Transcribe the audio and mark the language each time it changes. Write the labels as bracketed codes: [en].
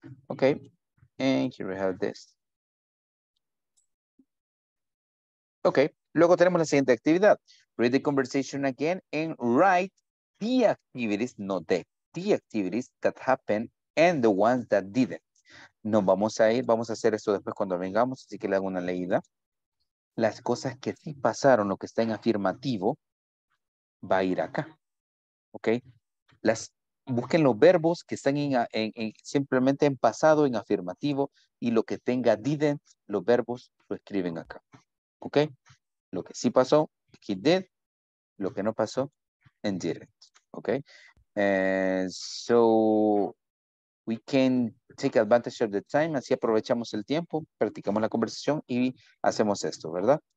[en] Okay, and here we have this. [es] Okay. Luego tenemos la siguiente actividad. [en] Read the conversation again and write the activities, not the activities that happened and the ones that didn't. [es] Nos vamos a ir, vamos a hacer esto después cuando vengamos, así que le hago una leída. Las cosas que sí pasaron, lo que está en afirmativo, va a ir acá. ¿Ok? Busquen los verbos que están simplemente en pasado, en afirmativo, y lo que tenga didn't, los verbos lo escriben acá. ¿Ok? Lo que sí pasó, [en] he did. [es] Lo que no pasó, [en] and didn't. [es] Okay. [en] So we can take advantage of the time. [es] Así aprovechamos el tiempo, practicamos la conversación y hacemos esto, ¿verdad?